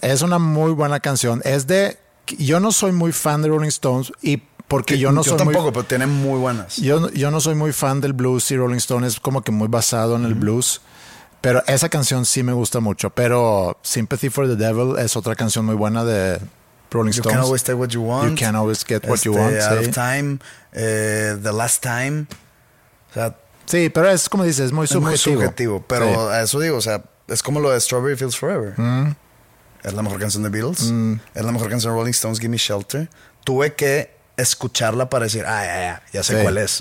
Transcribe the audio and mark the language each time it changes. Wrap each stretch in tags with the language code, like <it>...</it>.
<es>Es una muy buena canción. Es de... Yo no soy muy fan de Rolling Stones y porque yo no yo soy tampoco, muy, pero tienen muy buenas. Yo no soy muy fan del blues y Rolling Stones es como que muy basado en, mm-hmm, el blues. Pero esa canción sí me gusta mucho. Pero Sympathy for the Devil es otra canción muy buena de Rolling Stones.</es> <en>You can't always take what you want. You can't always get what you want. Out,</en> <es>¿sí?,</es> <en>of time. The last time.</en> <es>O sea, sí, pero es como dices, es muy subjetivo. Es muy subjetivo, pero sí, a eso digo, o sea, es como lo de Strawberry Fields Forever. Mm. Es la mejor canción de Beatles. Mm. Es la mejor canción de Rolling Stones, Gimme Shelter. Tuve que escucharla para decir, ah, ya sé, sí, cuál es.</es>